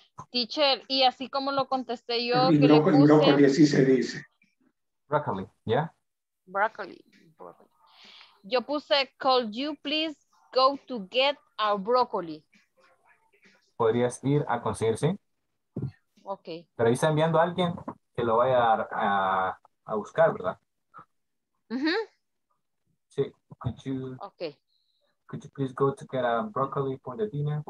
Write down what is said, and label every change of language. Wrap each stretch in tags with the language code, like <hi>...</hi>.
<es>Teacher, y así como lo contesté yo, el que broccoli, le puse... broccoli, así se dice.</es> <en>Broccoli, yeah. Broccoli, broccoli.</en> <es>Yo puse,</es> <en>could you please go to get a broccoli?</en> <es>Podrías ir a conseguir, sí. Ok. Pero ahí está enviando a alguien que lo vaya a buscar, ¿verdad? Uh-huh.</es> <en>Sí. Could you, ok. Could you please go to get a broccoli for the dinner?</en>